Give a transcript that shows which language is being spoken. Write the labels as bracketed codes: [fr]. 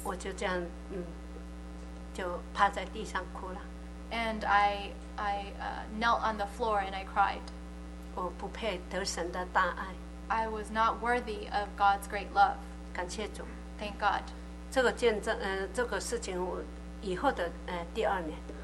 [zh] 我就这样，就趴在地上哭了。 [en] And I knelt on the floor and I cried. [zh] 我不配得神的大爱。 [en] I was not worthy of God's great love. [zh] 感谢主。 [en] Thank God. [zh] 这个见证，这个事情，我以后的第二年。